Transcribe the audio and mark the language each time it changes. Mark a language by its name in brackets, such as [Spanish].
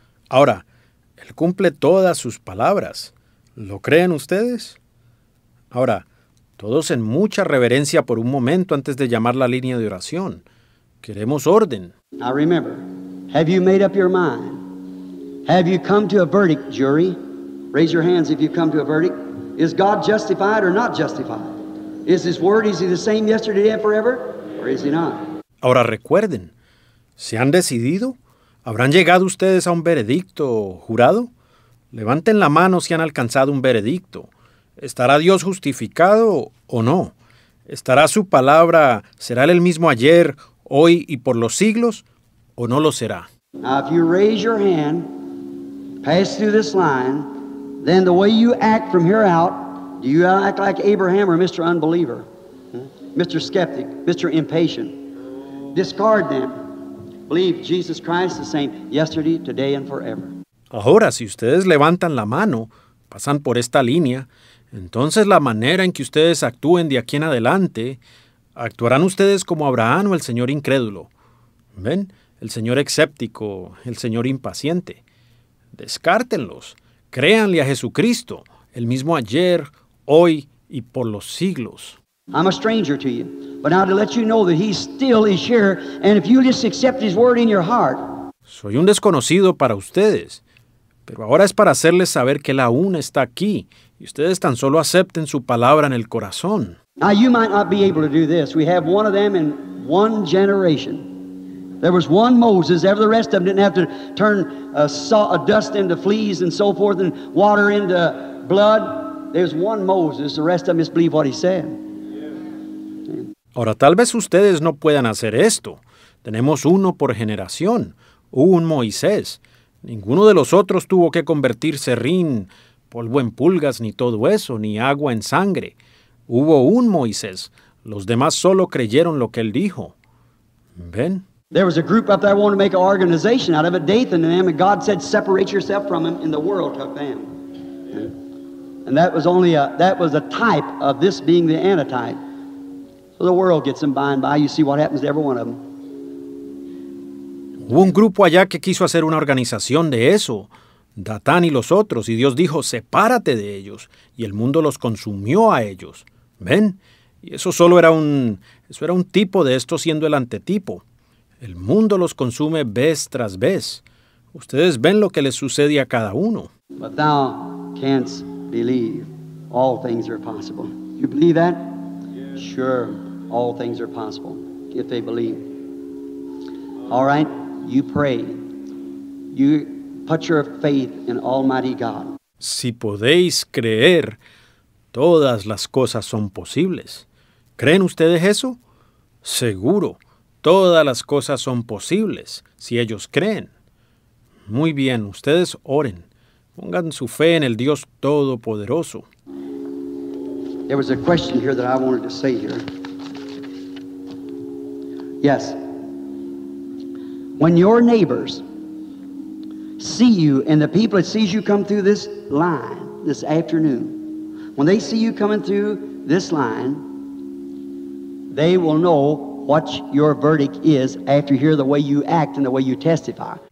[Spanish] Ahora, él cumple todas sus palabras. ¿Lo creen ustedes? Ahora, todos en mucha reverencia por un momento antes de llamar la línea de oración. Queremos orden. [English] Now remember, have you made up your mind? Have you come to a verdict, jury? Raise your hands if you've come to a verdict. Is God justified or not justified? Is his word, is he the same yesterday and forever, or is he not? [Spanish] Ahora recuerden, ¿se han decidido? ¿Habrán llegado ustedes a un veredicto jurado? Levanten la mano si han alcanzado un veredicto. ¿Estará Dios justificado o no? ¿Estará su palabra, será él el mismo ayer, hoy y por los siglos, o no lo será? [English] Now, if you raise your hand, pass through this line, then the way you act from here out, do you act like Abraham or Mr. Unbeliever, Mr. Skeptic, Mr. Impatient? Discard them. Believe Jesus Christ the same yesterday, today, and forever. [Spanish] Ahora, si ustedes levantan la mano, pasan por esta línea, entonces la manera en que ustedes actúen de aquí en adelante, actuarán ustedes como Abraham o el Señor Incrédulo. ¿Ven? El Señor Escéptico, el Señor Impaciente. Descártenlos. Créanle a Jesucristo, el mismo ayer, hoy y por los siglos. [English] I'm a stranger to you, but now to let you know that he still is here, and if you just accept his word in your heart. [Spanish] Soy un desconocido para ustedes, pero ahora es para hacerles saber que la una está aquí, y ustedes tan solo acepten su palabra en el corazón. [English] Now you might not be able to do this. We have one of them in one generation. There was one Moses, ever the rest of them didn't have to turn dust into fleas and so forth, and water into blood. There's one Moses, the rest of them just believe what he said. [Spanish] Ahora, tal vez ustedes no puedan hacer esto. Tenemos uno por generación, un Moisés. Ninguno de los otros tuvo que convertirse rin, polvo en pulgas, ni todo eso, ni agua en sangre. Hubo un Moisés. Los demás solo creyeron lo que él dijo. ¿Ven? [English] There was a group up there wanting to make an organization out of it, Dathan and them, and God said, separate yourself from him in the world to them. And that was a type of this being the antitype. So the world gets them by and by. You see what happens to every one of them. [Spanish] Hubo un grupo allá que quiso hacer una organización de eso, Datán y los otros, y Dios dijo, sepárate de ellos, y el mundo los consumió a ellos. ¿Ven? Y eso solo era un tipo de esto siendo el antetipo. El mundo los consume vez tras vez. Ustedes ven lo que les sucede a cada uno. [English] But thou canst believe, all things are possible. You believe that? Yes. Sure, all things are possible if they believe. All right, you pray. You put your faith in Almighty God. [Spanish] Si podéis creer, todas las cosas son posibles. ¿Creen ustedes eso? Seguro, todas las cosas son posibles, si ellos creen. Muy bien, ustedes oren. Pongan su fe en el Dios Todopoderoso. [English] There was a question here that I wanted to say here. Yes. When your neighbors see you, and the people that sees you come through this line this afternoon, when they see you coming through this line, they will know what your verdict is after you hear the way you act and the way you testify.